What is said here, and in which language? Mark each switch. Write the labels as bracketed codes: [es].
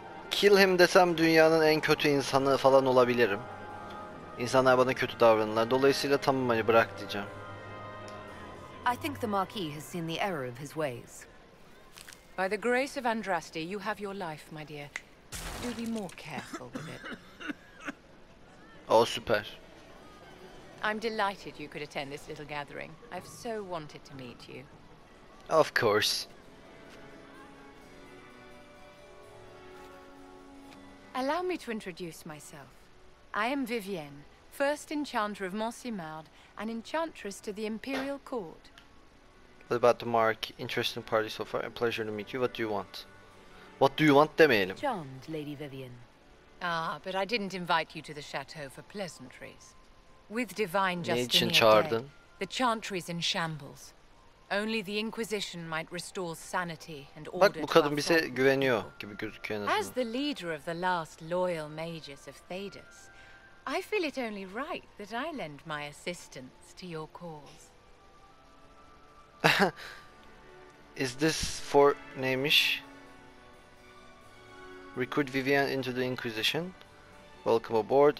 [en] Kill him [tr] desem dünyanın en kötü insanı falan olabilirim. İnsanlar bana kötü davranırlar. Dolayısıyla tamam, hani bırak diyeceğim. [en] I think the Marquis has seen the error of his ways. By the grace of Andraste, you have your life, my dear. Do be more careful with it. [tr] Oh, süper. [en] I'm delighted you could attend this little gathering. I've so wanted to meet you. Of course. Allow me to introduce myself. I am Vivienne, first enchanter of Montsimard and enchantress to the Imperial Court. What about the Mark? Interesting party so far. A pleasure to meet you. What do you want? What do you want, [tr] demeyelim. [en] Charmed, Lady Vivienne. Ah, but I didn't invite you to the chateau for pleasantries. With divine Justinia dead, the chantry's in shambles. Only the Inquisition might restore sanity and order. [tr] Bak, bu kadın bize güveniyor gibi gözüküyor aslında. [en] As the leader of the last loyal mages of Thedas, I feel it only right that I lend my assistance to your cause. Is this for Namish? Recruit Vivienne into the Inquisition. Welcome aboard.